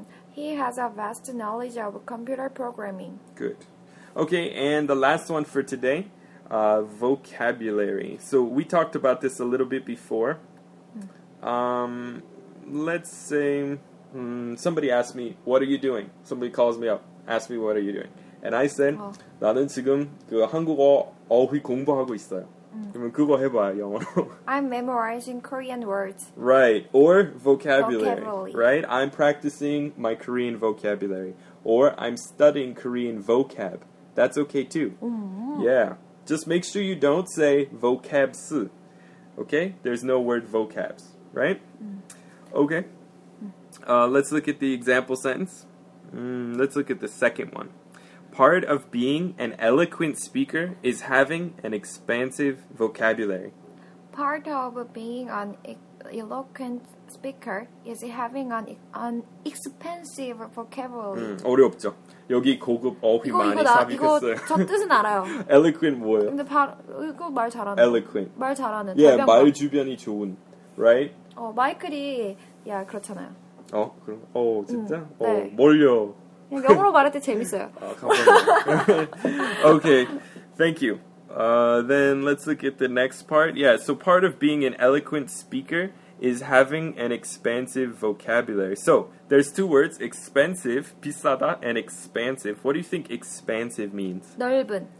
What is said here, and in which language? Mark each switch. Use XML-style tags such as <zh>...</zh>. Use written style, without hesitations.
<en>He has a vast knowledge of computer programming. Good. Okay, and the last one for today, vocabulary. So we talked about this a little bit before. Let's say somebody asked me, what are you doing? Somebody calls me up, asks me, what are you doing? And I said,</en> <ko>나는 지금 그 한국어 어휘 공부하고 있어요. 그러면 그거 해봐요, 영어로.</ko> <en>I'm memorizing Korean words. Right, or vocabulary. Right, I'm practicing my Korean vocabulary. Or I'm studying Korean vocab. That's okay, too. Yeah, just make sure you don't say vocabs. Okay, there's no word vocabs, right? Okay, let's look at the example sentence. Let's look at the second one. Part of being an eloquent speaker is having an expansive vocabulary. Part of being an eloquent speaker is having an expansive vocabulary.</en> <ko>어렵죠. 여기 고급 어휘 이거, 많이 삽입했어요. 이거 저 뜻은 알아요. Eloquent 뭐예요? 근데 이거 말 잘하는.</ko> <en>Eloquent.</en> <ko>말 잘하는. 예, yeah, 말 주변이 좋은.</ko> <en>Right?</en> <ko>어, 마이클이 야, 그렇잖아요. 어, 그럼. 어, 진짜? 어, 네. 멀려. 영어로 말할 때 재밌어요. 아, 감사합니다.</ko> <en>Okay, thank you. Then let's look at the next part. Yeah, so part of being an eloquent speaker is having an expansive vocabulary. So, there's two words, expansive,</en> <ko>비싸다,</ko> <en>and expansive. What do you think expansive means?</en> <ko>넓은.</ko>